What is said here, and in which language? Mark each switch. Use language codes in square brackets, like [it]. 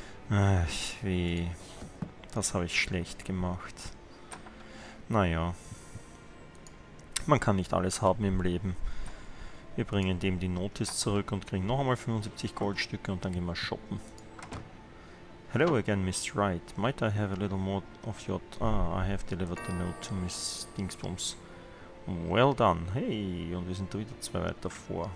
[de] Ach, weh. Das habe ich schlecht gemacht. Naja. Man kann nicht alles haben im Leben. Wir bringen dem die Notiz zurück und kriegen noch einmal 75 Goldstücke und dann gehen wir shoppen. [en] Hello again, Miss Wright. Might I have a little more of your... I have delivered the note to Miss Dingsbums. Well done. [de] Hey, und wir sind da wieder 2 weiter vor.